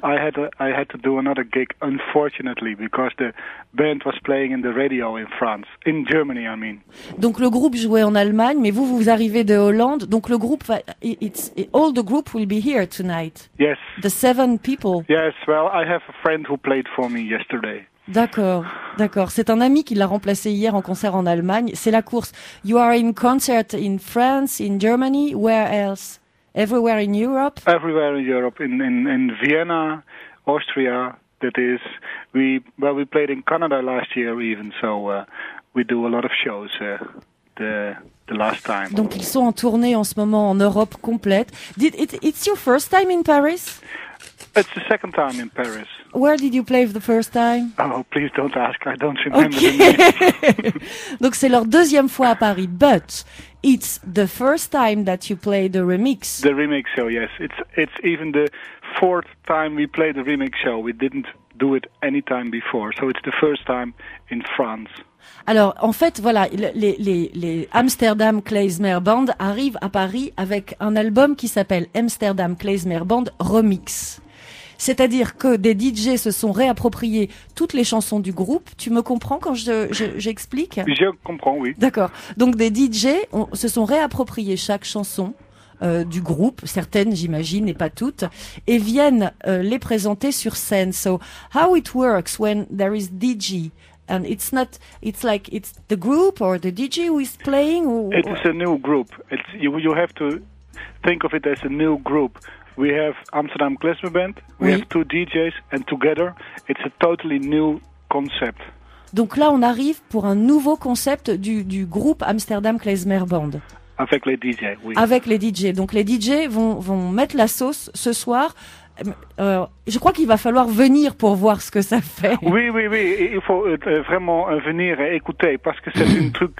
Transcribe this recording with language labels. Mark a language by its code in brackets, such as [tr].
[en] I had to do another gig, unfortunately, because the band was playing in the radio in France. In Germany, I mean. [fr] Donc le groupe jouait en Allemagne, mais vous arrivez de Hollande. Donc le groupe, [en] all the group will be here tonight. Yes. The seven people. Yes, well, I have a friend who played for me yesterday. [fr] D'accord. C'est un ami qui l'a remplacé hier en concert en Allemagne. C'est la course. [en] You are in concert in France, in Germany, where else? Everywhere in Europe? Everywhere in Europe, in Vienna, Austria, that is. We played in Canada last year even, so we do a lot of shows the last time. [fr] Donc ils sont en tournée en ce moment en Europe complète. [en] It's your first time in Paris? It's the second time in Paris. Where did you play the first time? Oh, please don't ask, I don't remember the name. [fr] Donc c'est leur deuxième fois à Paris, but... [en] It's the first time that you play the remix. The remix show, yes. It's even the fourth time we play the remix show. We didn't do it any time before. So it's the first time in France. [fr] Alors, en fait, voilà, les Amsterdam Klezmer Band arrivent à Paris avec un album qui s'appelle Amsterdam Klezmer Band Remix. C'est-à-dire que des DJ se sont réappropriés toutes les chansons du groupe. Tu me comprends quand j'explique? Je comprends, oui. D'accord. Donc des DJ se sont réappropriés chaque chanson du groupe, certaines j'imagine et pas toutes, et viennent les présenter sur scène. [en] So how it works when there is DJ and it's not, it's like it's the group or the DJ who is playing? It's a new group. You have to think of it as a new group. We have Amsterdam Klezmer Band, we have two DJs, and together, it's a totally new concept. [fr] Donc là, on arrive pour un nouveau concept du groupe Amsterdam Klezmer Band. Avec les DJs, oui. Avec les DJs. Donc les DJs vont mettre la sauce ce soir. Je crois qu'il va falloir venir pour voir ce que ça fait. Oui. Il faut vraiment venir et écouter, parce que c'est un truc